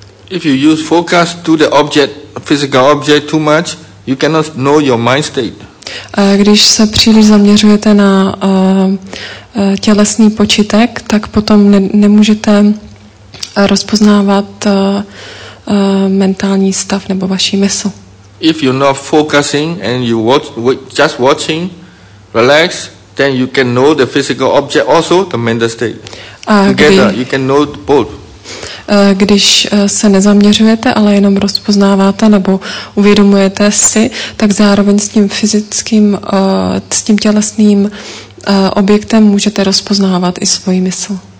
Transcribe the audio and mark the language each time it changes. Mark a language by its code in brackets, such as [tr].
[en] If you use focus to the object, physical object too much, you cannot know your mind state. [cs] Když se příliš zaměřujete na tělesný počitek, tak potom nemůžete rozpoznávat mentální stav nebo vaši mysl. [en] If you're not focusing and you just watching, relax, then you can know the physical object also, the mental state. Together, you can know both. [cs] Když se nezaměřujete, ale jenom rozpoznáváte nebo uvědomujete si, tak zároveň s tím fyzickým, s tím tělesným objektem můžete rozpoznávat i svoji mysl.